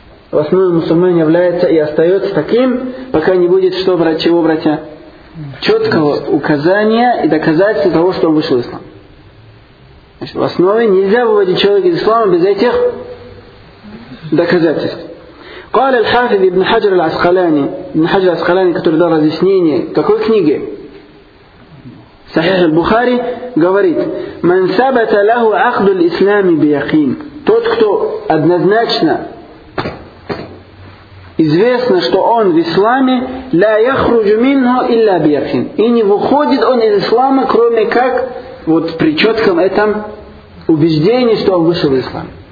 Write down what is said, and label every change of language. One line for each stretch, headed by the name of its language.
Russian: В основе мусульман является и остается таким, пока не будет что, чего, братья? Четкого указания и доказательства того, что он вышел из ислама. Значит, в основе нельзя выводить человека из ислама без этих доказательств.
Arabic: قال الحافظ ابن حجر العسقلاني ابن حجر العسقلاني
Russian: который дал разъяснение какой книге? Сахих аль-Бухари говорит:
Arabic: من ثبت له عقد الإسلام بيقين.
Russian: Тот, кто однозначно известно, что он в исламе,
Arabic: لا يخرج منه إلا بيقين.
Russian: И не выходит он из ислама, кроме как вот при четком этом убеждении, что он вышел из ислама.